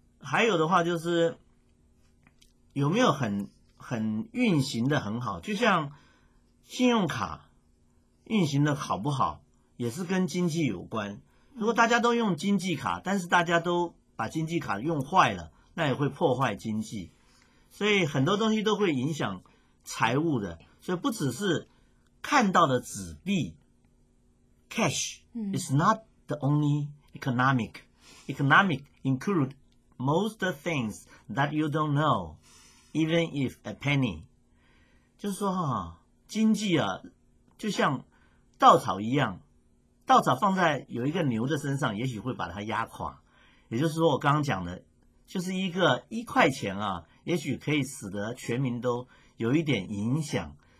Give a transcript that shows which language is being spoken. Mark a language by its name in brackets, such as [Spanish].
[Chinese] 还有的话就是有没有很运行的很好，就像信用卡运行的好不好也是跟经济有关。如果大家都用经济卡，但是大家都把经济卡用坏了，那也会破坏经济。所以很多东西都会影响财务的，所以不只是看到的纸币 [English] cash is not the only economic. Economic include most of things that you don't know, even if a penny. [Chinese] 就是说啊，经济啊，就像稻草一样，稻草放在有一个牛的身上，也许会把它压垮。也就是说，我刚刚讲的，就是一个一块钱啊，也许可以使得全民都有一点影响。